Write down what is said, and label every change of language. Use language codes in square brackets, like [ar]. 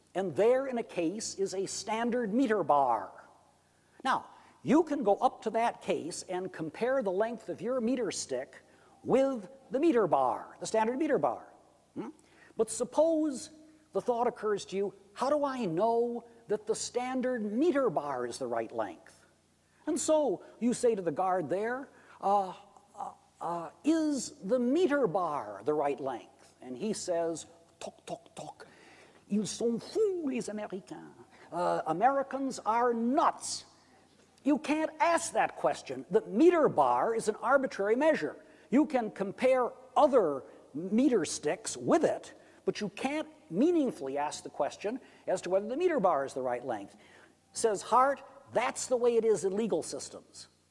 [en] And there in a case is a standard meter bar. Now, you can go up to that case and compare the length of your meter stick with the meter bar, the standard meter bar. But suppose the thought occurs to you, how do I know that the standard meter bar is the right length? And so you say to the guard there, is the meter bar the right length? [fr] And he says, toc, toc, toc, ils sont fous, les Américains. [en] Americans are nuts. You can't ask that question. The meter bar is an arbitrary measure. You can compare other meter sticks with it, but you can't meaningfully ask the question as to whether the meter bar is the right length. Says Hart, that's the way it is in legal systems.